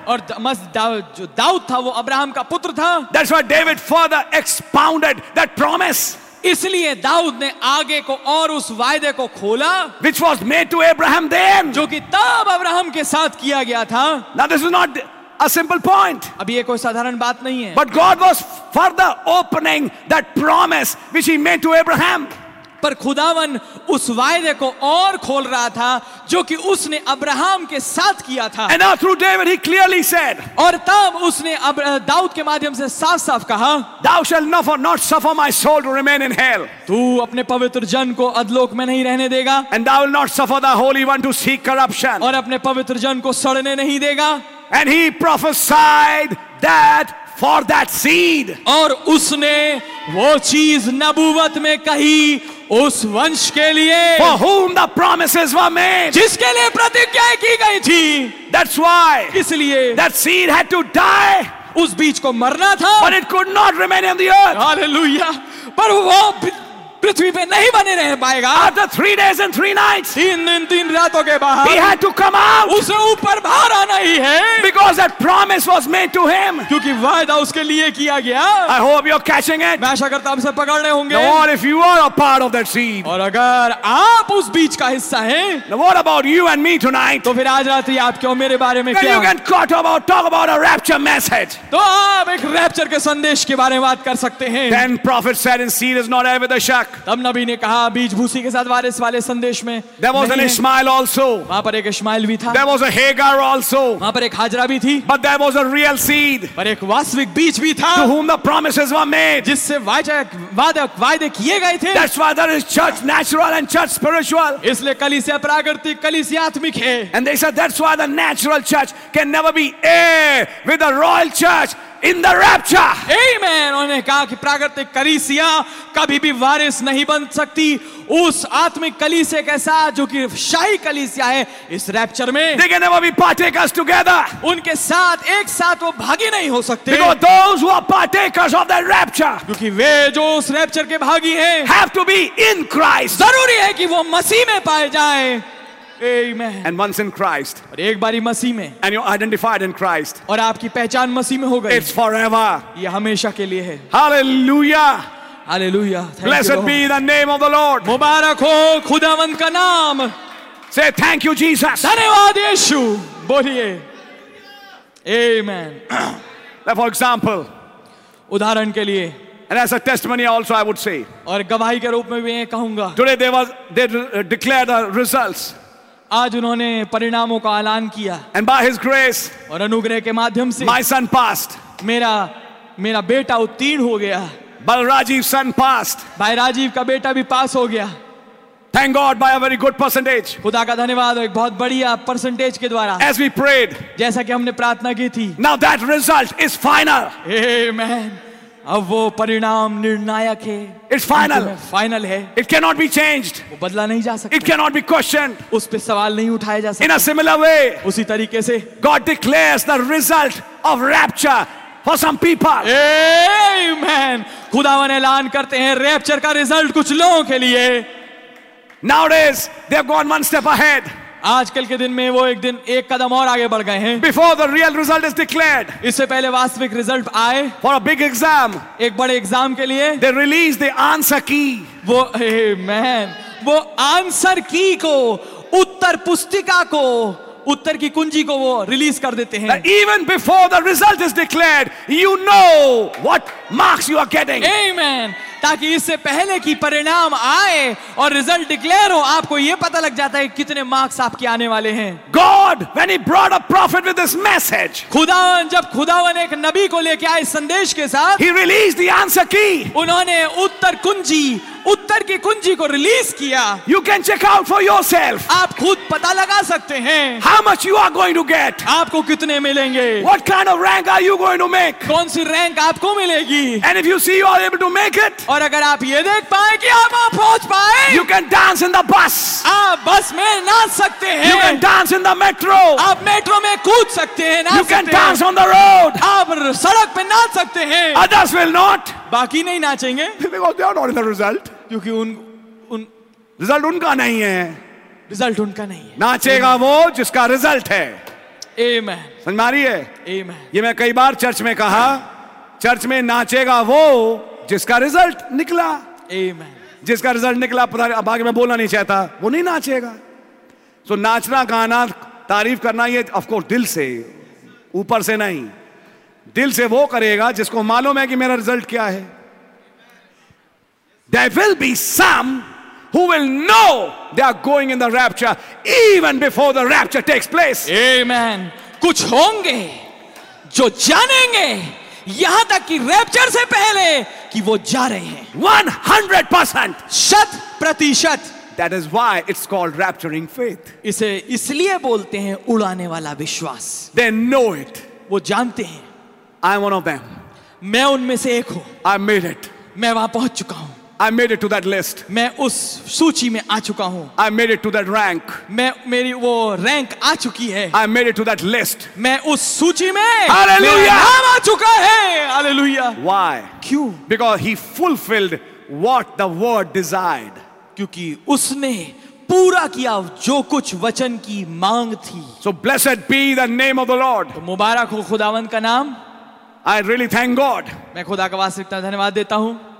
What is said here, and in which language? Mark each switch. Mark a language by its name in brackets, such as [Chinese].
[Hindi] और जो दाऊद था वो अब्राहम का पुत्र था. [English] That's why David further expounded that promise. [Hindi] इसलिए दाऊद ने आगे को और उस वायदे को खोला, [English] which was made to Abraham then, [Hindi] जो कि तब अब्राहम के साथ किया गया था. [English] Now this is not a simple point, [Hindi] अभी ये कोई साधारण बात नहीं है. [English] But God was further opening that promise which he made to Abraham. [Hindi] पर खुदावन उस वायदे को और खोल रहा था जो कि उसने अब्राहम के साथ किया था. [English] And now through David he clearly said, [Hindi] और तब उसने दाऊद के माध्यम से साफ साफ कहा, [English] Thou shall not suffer my soul to remain in hell. [Hindi] तू अपने पवित्र जन को अधलोक में नहीं रहने देगा. [English] And thou will not suffer the holy one to seek corruption. [Hindi] और अपने पवित्र जन को सड़ने नहीं देगा. [English] And he prophesied that for that seed. [Hindi] और उसने वो चीज नबूवत में कही उस वंश के लिए, [English] for whom the promises were made, [Hindi] जिसके लिए प्रतिज्ञाएं की गई थी. [English] That's why, [Hindi] इसलिए, [English] that seed had to die, [Hindi] उस बीज को मरना था, [English] but it could not remain on the earth. Hallelujah. [Hindi] पर वो पृथ्वी पे नहीं बने रह पाएगा. [English] After 3 days and 3 nights, [Hindi] 3 दिन 3 रातों के बाहर, [English] he had to come out, [Hindi] उसे ऊपर बाहर आना ही है, [English] because that promise was made to him, [Hindi] क्योंकि वायदा उसके लिए किया गया. [English] I hope you're catching it. [Hindi] मैं आशा करता हूँ आप सब पकड़ रहे होंगे. [English] Or if you are a part of that seed, [Hindi] और अगर आप उस बीच का हिस्सा हैं, [English] now what about you and me tonight? [Hindi] तो फिर आज रात्रि आप क्यों मेरे बारे में क्या? [English] You can talk about a rapture message. [Hindi] तो आप एक रैप्चर के संदेश के बारे में बात कर सकते हैं. [English] Then prophet said, and seed is not ever the shock. [Hindi] तब नबी ने कहा बीज भूसी के साथ वारिस वाले संदेश में. [English] There was an Ishmael also. [Hindi] वहाँ पर एक इश्माइल भी था. [English] There was a Hagar also. [Hindi] वहाँ पर एक हाजरा भी थी. [English] But there was a real seed. [Hindi] पर एक वास्तविक बीज भी था. [English] To whom the promises were made. [Hindi] जिससे वायदे किए गए थे. [English] That's why there is church natural and church spiritual. [Hindi] इसलिए कलीसिया प्राकृतिक कलीसिया आत्मिक है. [English] And they said that's why the natural church can never be heir with the royal church in the rapture. Amen. [Hindi] उन्होंने कहा कि प्राकृतिक कलीसिया कभी भी वारिस नहीं बन सकती उस आत्मिक कलीसिया के साथ जो कि शाही कलीसिया है इस रैप्चर में. [English] They can never be partakers together. [Hindi] उनके साथ एक साथ वो भागी नहीं हो सकते. [English] Because those who are partakers of that rapture, [Hindi] क्योंकि वे जो उस रैप्चर के भागी हैं, [English] have to be in Christ. [Hindi] जरूरी है कि वो मसीह में पाए जाएं. [English] Amen. And once in Christ, [Hindi] और एक बारी मसीह में, [English] and you're identified in Christ, [Hindi] और आपकी पहचान मसीह में हो गई, [English] it's forever. [Hindi] ये हमेशा के लिए है. [English] Hallelujah. Hallelujah. Blessed be the name of the Lord. [Hindi] मुबारक हो खुदावंद का नाम. [English] Say thank you, Jesus. [Hindi] धन्यवाद यीशु. बोलिए. Amen. [English] Now, for example, [Hindi] उदाहरण के लिए, [English] and as a testimony also, I would say, [Hindi] और गवाही के रूप में भी मैं कहूँगा. [English] Today they declare the results. [Hindi] आज उन्होंने परिणामों का ऐलान किया. [English] And by his grace, [Hindi] और अनुग्रह के माध्यम से, [English] my son passed. [Hindi] मेरा बेटा उत्तीर्ण हो गया. [English] बलराजीव son passed. [Hindi] भाई राजीव का बेटा भी पास हो गया. [English] Thank God by a very good percentage. [Hindi] खुदा का धन्यवाद एक बहुत बढ़िया परसेंटेज के द्वारा. [English] As we prayed, [Hindi] जैसा कि हमने प्रार्थना की थी. [English] Now that result is final. Amen. [Hindi] अब वो परिणाम निर्णायक है. [English] It's final. [Hindi] Final है. [English] It cannot be changed. [Hindi] वो बदला नहीं जा सकता. [English] It cannot be questioned. [Hindi] उस पे सवाल नहीं उठाया जा सकता. [English] In a similar way. [Hindi] उसी तरीके से. [English] God declares the result of rapture for some people. Amen. [Hindi] खुदावन ऐलान करते हैं रैप्चर का रिजल्ट कुछ लोगों के लिए. [English] Nowadays they have gone one step ahead. [Hindi] आजकल के दिन में वो एक दिन एक कदम और आगे बढ़ गए हैं. [English] Before the real result is declared. [Hindi] इससे पहले वास्तविक रिजल्ट आए. [English] For a big exam. [Hindi] एक बड़े एग्जाम के लिए. [English] They release the answer key. [Hindi] वो amen. वो आंसर की को उत्तर पुस्तिका को उत्तर की कुंजी को वो रिलीज कर देते हैं. [English] Even before the result is declared, you know what marks you are getting. Amen. [Hindi] ताकि इससे पहले कि परिणाम आए और रिजल्ट डिक्लेयर हो आपको यह पता लग जाता है कितने मार्क्स आपके आने वाले हैं. [English] God, when he brought a prophet with this message, [Hindi] खुदावन जब खुदावन एक नबी को लेके आए संदेश के साथ, [English] he released the answer key. [Hindi] उन्होंने उत्तर की कुंजी को रिलीज किया. [English] You can check out for yourself. [Hindi] आप खुद पता लगा सकते हैं. [English] How much you are going to get? [Hindi] आपको कितने मिलेंगे? [English] What kind of rank are you going to make? [Hindi] कौन सी रैंक आपको मिलेगी? [English] And if you see you are able to make it, [Hindi] और अगर आप ये देख पाए कि आप वहां पहुंच पाए, [English] You can dance in the bus. [Hindi] आप बस में नाच सकते हैं. [English] You can dance in the metro. [Hindi] आप मेट्रो में कूद सकते हैं, नाच [English] You [Hindi] सकते [English] can dance [Hindi] हैं. [English] On the road. [Hindi] आप सड़क पे नाच सकते हैं. [English] Others will not. [Hindi] बाकी नहीं नाचेंगे. [English] Because they are not in the result. [Hindi] क्योंकि उन रिजल्ट उनका नहीं है. रिजल्ट उनका नहीं है. नाचेगा वो जिसका रिजल्ट है. [English] Amen. [Hindi] समझ में आ रही है? [English] Amen. [Hindi] ये मैं कई बार चर्च में कहा, चर्च में नाचेगा वो जिसका रिजल्ट निकला. [English] Amen. [Hindi] जिसका रिजल्ट निकला पता अब आगे मैं बोलना नहीं चाहता, वो नहीं नाचेगा. सो नाचना गाना तारीफ करना ये ऑफकोर्स दिल से, ऊपर से नहीं. दिल से वो करेगा जिसको मालूम है कि मेरा रिजल्ट क्या है. [English] There will be some who will know they are going in the rapture even before the rapture takes place. Amen. [Hindi] कुछ होंगे जो जानेंगे यहां तक कि रैप्चर से पहले कि वो जा रहे हैं. [English] 100% [Hindi] शत प्रतिशत. [English] That is why it's called rapturing faith. [Hindi] इसे इसलिए बोलते हैं उड़ाने वाला विश्वास. [English] They know it. [Hindi] वो जानते हैं. [English] I am one of them. [Hindi] मैं उनमें से एक हूं. [English] I made it. [Hindi] मैं वहां पहुंच चुका हूं. [English] I made it to that list. [Hindi] मैं उस सूची में आ चुका हूँ. [English] I made it to that rank. [Hindi] मैं मेरी वो रैंक आ चुकी है. [English] I made it to that list. [Hindi] मैं उस सूची में. [English] Hallelujah. [Hindi] मेरा नाम आ चुका है. Hallelujah. [English] Why? [Hindi] क्यों? [English] Because he fulfilled what the word desired. [Hindi] क्योंकि उसने पूरा किया जो कुछ वचन की मांग थी. [English] So blessed be the name of the Lord. [Hindi] मुबारक हो खुदावन का नाम. [English] I really thank God. [Hindi] मैं खुदा का वास्तविकता धन्यवाद देता हूँ.